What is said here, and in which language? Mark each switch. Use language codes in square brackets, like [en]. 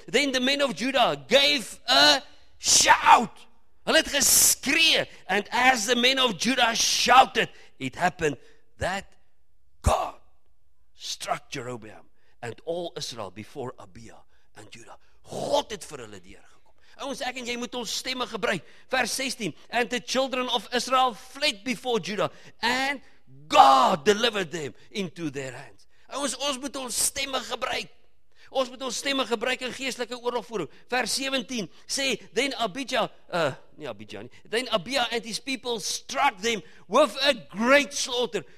[en] Then the men of Judah gave a shout. [af] Hulle het geskree. [en] And as the men of Judah shouted, it happened that God struck Jeroboam and all Israel before Abia and Judah. [af] God het vir hulle deurgekom. Ons ek en jy moet ons stemme gebruik. Vers 16. [en] And the children of Israel fled before Judah and God delivered them into their hands. [af] Ons moet ons stemme gebruik. Ons moet ons stemme gebruik in geestelike oorlogvoering. Vers 17 sê, [en] then Abijah, then Abijah and his people struck them with a great slaughter.